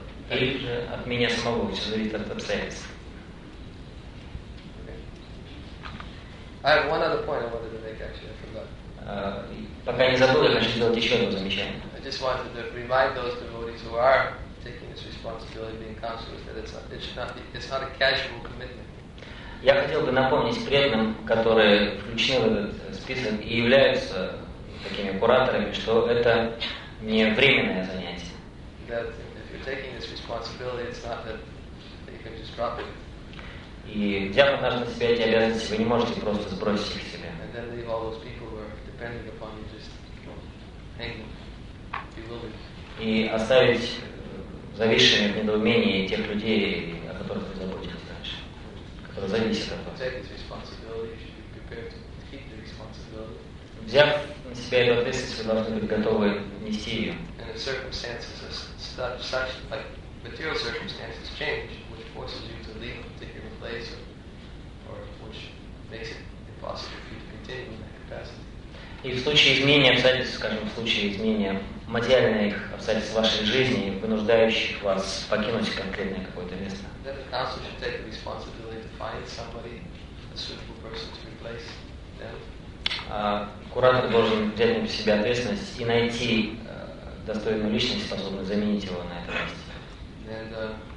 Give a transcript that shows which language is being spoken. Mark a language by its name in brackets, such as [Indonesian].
[Russian] Или же от меня самого, все зависит от обстоятельств. [English] I have one other point I wanted to make, actually, I forgot. [Russian] Пока не забыл, я хочу сделать еще одно замечание. [English] I just wanted to remind those devotees who are taking this responsibility being counselors that it's not a casual commitment. [Russian] Я хотел бы напомнить преданным, которые включены в этот список и являются такими кураторами, что это не временное занятие. [English] That if you're taking this responsibility, it's not that you can just drop it. [Russian] И взяв однажды на себя эти обязанности, вы не можете просто сбросить их себе. [English] And then leave all those people who are depending upon you just hanging, bewildered. [Russian] И оставить зависшими в недоумении тех людей, о которых вы заботитесь дальше, которые зависят от вас. [English] Take this responsibility, you should be prepared to keep the responsibility. [Russian] Взяв на себя эту ответственность, вы должны быть готовы нести ее. [English] And if circumstances such like material circumstances change, which forces you to leave them, place or which makes it impossible for you to continue in that capacity. [Russian] И в случае изменения обстоятельств, скажем, в случае изменения материальных обстоятельств вашей жизни, вынуждающих вас покинуть конкретное какое-то место. [English] Then the counselor should take the responsibility to find somebody, a suitable person to replace them. [Russian] Куратор должен взять на себя ответственность и найти достойную личность, способную заменить его на это место.